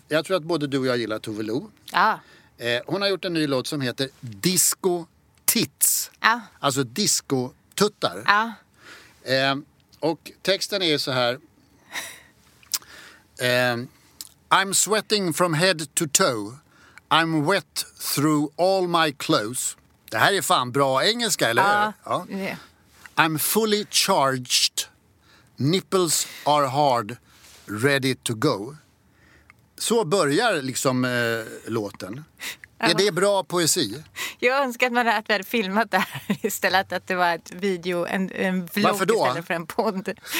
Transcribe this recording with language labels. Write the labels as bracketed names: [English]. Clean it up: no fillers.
[Swedish] Jag tror att både du och jag gillar Tove Lo. Ja. Hon har gjort en ny låt som heter Disco Tits. Ja. Alltså disco tuttar. Ja. [English] Och texten är så här: I'm sweating from head to toe. I'm wet through all my clothes. [Swedish] Det här är fan bra engelska, eller hur? Ja. [English] I'm fully charged. Nipples are hard. Ready to go. [Swedish] Så börjar liksom låten. Är det bra poesi? Jag önskar att man hade filmat det här istället, att det var ett video, en vlogg istället för en podd.